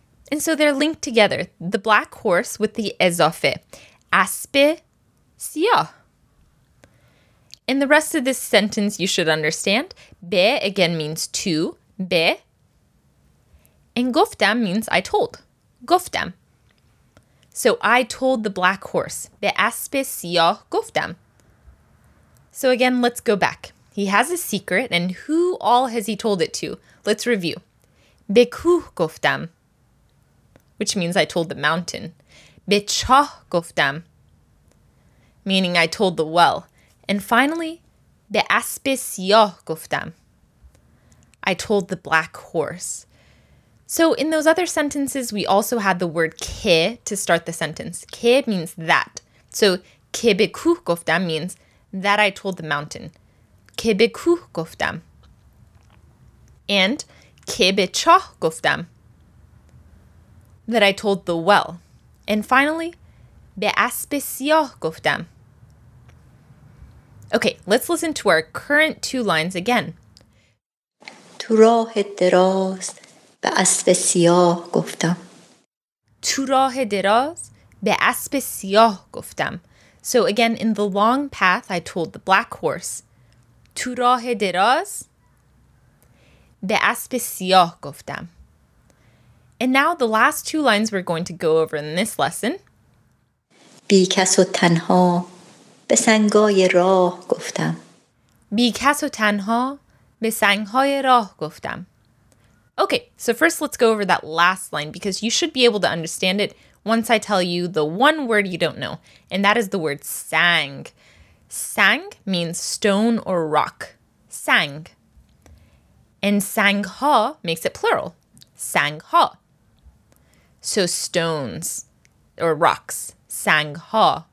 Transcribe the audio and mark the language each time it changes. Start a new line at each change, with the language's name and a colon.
English: And so they're linked together, the black horse with the اضافه, aspe سیاه. And the rest of this sentence you should understand, be again means to, be, and گفتم means I told, گفتم. So I told the black horse,
Persian: به اسب سیاه گفتم.
English: So again, let's go back. He has a secret, and who all has he told it to? Let's review.
Persian: به کوه گفتم,
English: which means I told the mountain.
Persian: به چاه گفتم,
English: meaning I told the well. And finally,
Persian: به اسب سیاه گفتم.
English: I told the black horse. So in those other sentences, we also had the word که to start the sentence. که means that. So
Persian: که به کوه گفتم
English: means that I told the mountain.
Persian: که به کوه گفتم.
English: And
Persian: که به چاه گفتم.
English: That I told the well. And finally,
Persian: به اسب سیاه گفتم.
English: Okay, let's listen to our current two lines again.
Persian: تو راه دراز به اسب سیاه گفتم. تو راه دراز به اسب سیاه گفتم.
English: So again, in the long path, I told the black horse.
Persian: تو راه دراز به اسب سیاه گفتم.
English: And now the last two lines we're going to go over in this lesson.
Persian: بی کس و تنها به سنگای راه گفتم. بی کس و تنها به سنگهای راه گفتم.
English: Okay, so first let's go over that last line because you should be able to understand it once I tell you the one word you don't know, and that is the word sang. Sang means stone or rock. Sang. And sangha makes it plural. Sangha. So stones or rocks. Sangha.